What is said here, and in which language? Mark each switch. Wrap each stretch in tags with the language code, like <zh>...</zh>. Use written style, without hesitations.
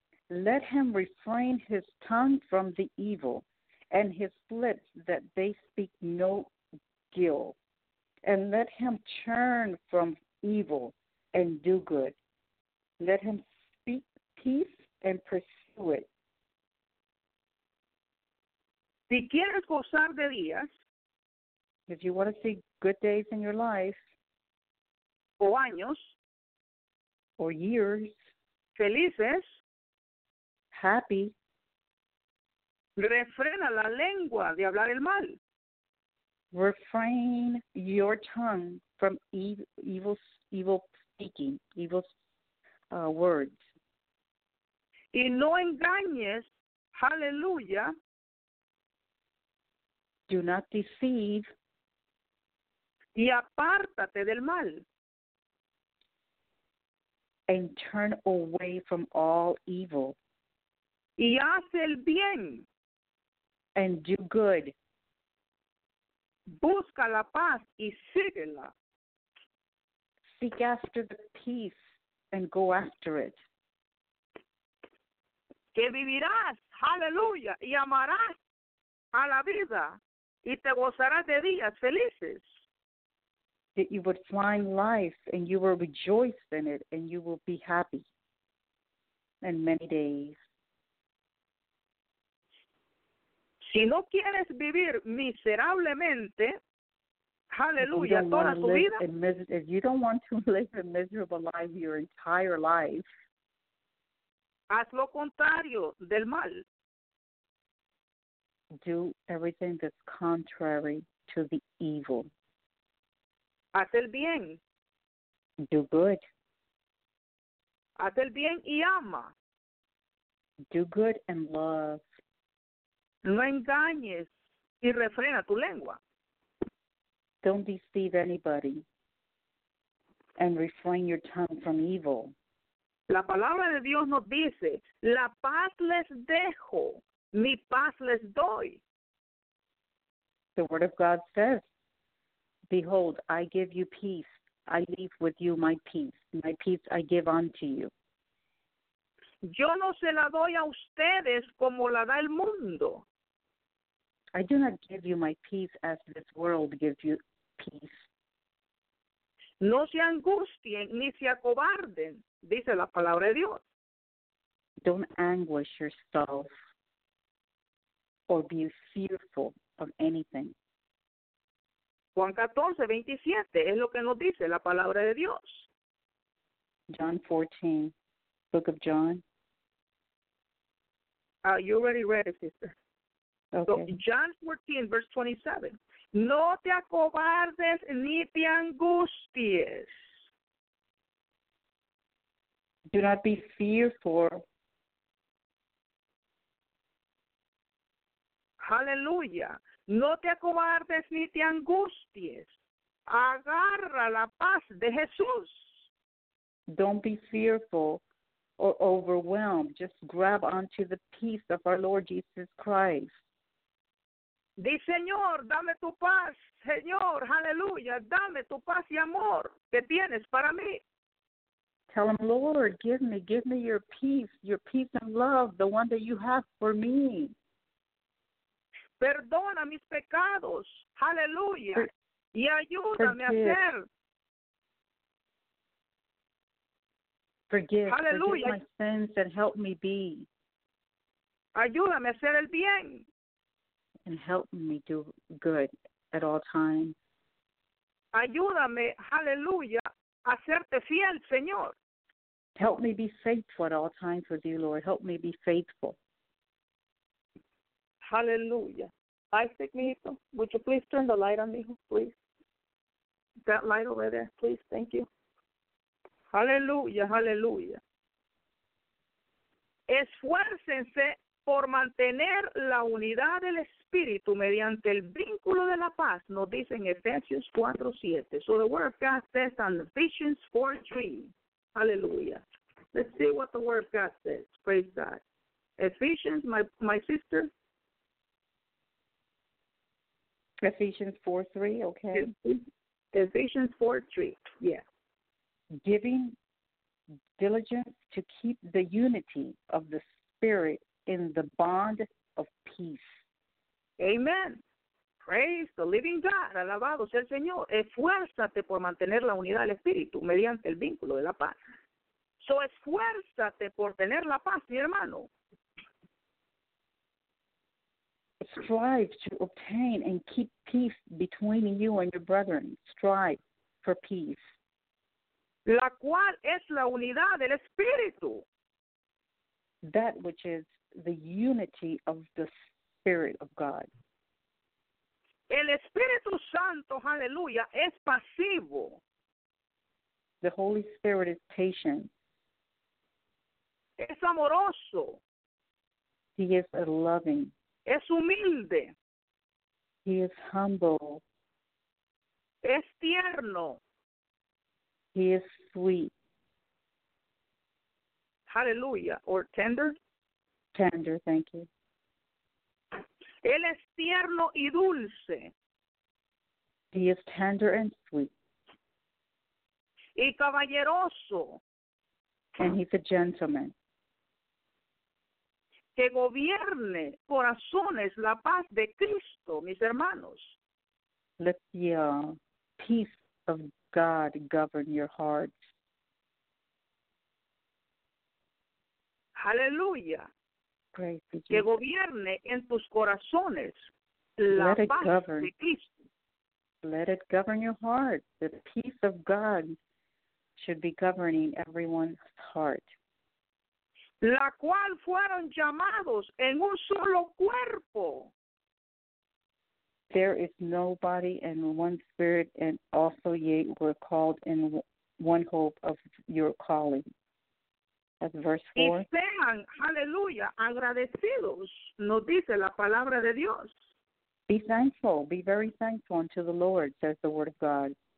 <en>Let him refrain his tongue from the evil, and his lips that they speak no guile. And let him turn from evil and do good. Let him speak peace and pursue it.</en> <es>Si quieres gozar de días,</es> <en>if you want to see good days in your life,</en> <es>o años,</es> <en>or years,</en> <es>felices,</es> <en>happy,</en> <es>refrena la lengua de hablar el mal.</es> <en>Refrain your tongue from evil speaking, evil words.</en> <es>Y no engañes, aleluya.</es> <en>Do not deceive.</en> <es>Y apártate del mal.</es> <en>And turn away from all evil.</en> <es>Y haz el bien.</es> <en>And do good.</en> <es>Busca la paz y síguela.</es> <en>Seek after the peace and go after it.</en> <es>Que vivirás, aleluya, y amarás a la vida y te gozarás de días felices.</es> <en>That you would find life and you will rejoice in it and you will be happy in many days.</en> <es>Si no quieres vivir miserablemente, aleluya, toda tu vida.</es> <en>If you don't want to live a miserable life your entire life,</en> <es>haz lo contrario del mal.</es> <en>Do everything that's contrary to the evil.</en> <es>Haz el bien.</es> <en>Do good.</en> <es>Haz el bien y ama.</es> <en>Do good and love.</en> <es>No engañes y refrena tu lengua.</es> <en>Don't deceive anybody and refrain your tongue from evil.</en> <es>La palabra de Dios nos dice, la paz les dejo, mi paz les doy.</es> <en>The word of God says, behold, I give you peace. I leave with you my peace. My peace I give unto you.</en> <es>Yo no se la doy a ustedes como la da el mundo.</es> <en>I do not give you my peace as this world gives you peace.</en> <es>No se angustien ni se acobarden, dice la palabra de Dios.</es> <en>Don't anguish yourself or be fearful of anything.</en> <es>Juan 14, 27 es lo que nos dice la palabra de Dios.</es> <en>John 14, Book of John. You already read it, sister. Okay. So, John 14, verse 27.</en> <es>No te acobardes ni te angusties.</es> <en>Do not be fearful.</en> <es>Hallelujah. No te acobardes ni te angusties. Agarra la paz de Jesús.</es> <en>Don't be fearful or overwhelmed. Just grab onto the peace of our Lord Jesus Christ.</en> <es>Di, Señor, dame tu paz, Señor, aleluya, dame tu paz y amor que tienes para mí.</es> <en>Tell him, Lord, give me your peace and love, the one that you have for me.</en> <es>Perdona mis pecados, aleluya, y ayúdame a ser.</es> <en>Forgive, hallelujah. Forgive my sins and help me be.</en> <es>Ayúdame a ser el bien.</es> <en>And help me do good at all times.</en> <es>Ayúdame, hallelujah, a serte fiel, Señor.</es> <en>Help me be faithful at all times with you, Lord. Help me be faithful. Hallelujah. Isaac, mijito, would you please turn the light on, mijo, please? That light over there, please, thank you. Hallelujah, hallelujah.</en> <es>Esfuércense por mantener la unidad del Espíritu mediante el vínculo de la paz, nos dice en Efesios 4:7.</es> <en>So the Word of God says in Ephesians 4:3. Hallelujah. Let's see what the Word of God says. Praise God. Ephesians, my sister. Ephesians 4:3, okay. Ephesians 4:3, yeah. Giving diligence to keep the unity of the Spirit in the bond of peace. Amen. Praise the living God.</en> <es>Alabado sea el Señor. Esfuérzate por mantener la unidad del Espíritu mediante el vínculo de la paz. So, esfuérzate por tener la paz, mi hermano.</es> <en>Strive to obtain and keep peace between you and your brethren. Strive for peace.</en> <es>La cual es la unidad del Espíritu.</es> <en>That which is the unity of the Spirit of God.</en> <es>El Espíritu Santo, aleluya, es pasivo.</es> <en>The Holy Spirit is patient.</en> <es>Es amoroso.</es> <en>He is a loving.</en> <es>Es humilde.</es> <en>He is humble.</en> <es>Es tierno.</es> <en>He is sweet. Hallelujah. Or tender. Tender, thank you.</en> <es>Él es tierno y dulce.</es> <en>He is tender and sweet.</en> <es>Y caballeroso.</es> <en>And he's a gentleman.</en> <es>Que gobierne corazones la paz de Cristo, mis hermanos.</es> <en>Let the peace of God govern your hearts.</en> <es>Aleluya. Que gobierne en tus corazones la</es> <en>Let</en> <es>paz</es> <en>govern.</en> <es>De Cristo.</es> <en>Let it govern your heart. The peace of God should be governing everyone's heart.</en> <es>La cual fueron llamados en un solo cuerpo.</es> <en>There is no body and one spirit, and also ye were called in one hope of your calling. That's verse 4.</en> <es>Y sean, aleluya, agradecidos, nos dice la palabra de Dios.</es> <en>Be thankful, be very thankful unto the Lord, says the word of God.</en>